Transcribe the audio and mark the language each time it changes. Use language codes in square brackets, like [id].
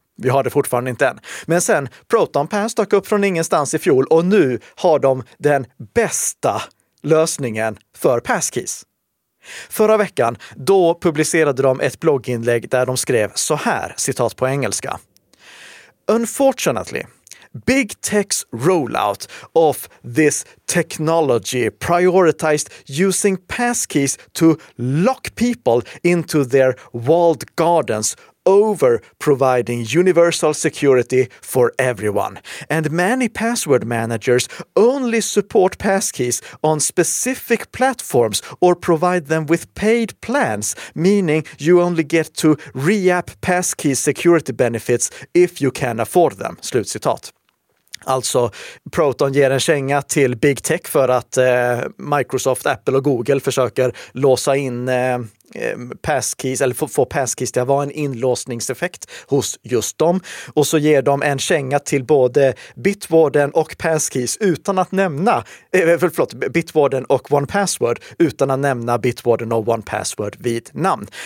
[sv] Vi har det fortfarande inte än. Men sen, Proton Pass dök upp från ingenstans i fjol och nu har de den bästa lösningen för passkeys. Förra veckan, då publicerade de ett blogginlägg där de skrev så här, citat på engelska. [en] Unfortunately, Big Tech's rollout of this technology prioritized using passkeys to lock people into their walled gardens over providing universal security for everyone. And many password managers only support passkeys on specific platforms or provide them with paid plans, meaning you only get to re-app passkey security benefits if you can afford them. [sv] Slut citat. Alltså, Proton ger en känga till Big Tech för att Microsoft, Apple och Google försöker låsa in passkeys, eller få passkeys till att vara en inlåsningseffekt hos just dem. Och så ger de en känga till både Bitwarden och passkeys utan att nämna, förlåt, Bitwarden och 1Password utan att nämna Bitwarden och 1Password vid namn.